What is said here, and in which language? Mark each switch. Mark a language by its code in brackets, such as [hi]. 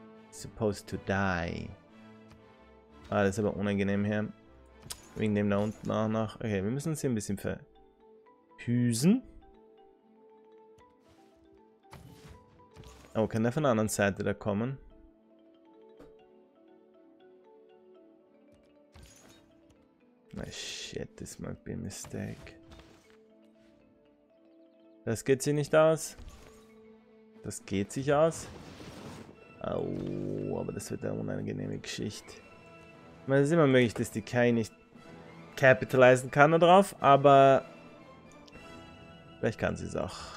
[en] Supposed to die. [de] Ah, das ist aber unangenehm hier. Wegen dem da unten auch noch. Okay, wir müssen uns hier ein bisschen verhüsen. Oh, kann der von der anderen Seite da kommen? [en] My shit, this might be a mistake. [de] Das geht sich nicht aus. Das geht sich aus. Oh, aber das wird eine unangenehme Geschichte. Es ist immer möglich, dass die Kai nicht capitalisieren kann darauf, aber vielleicht kann sie es auch.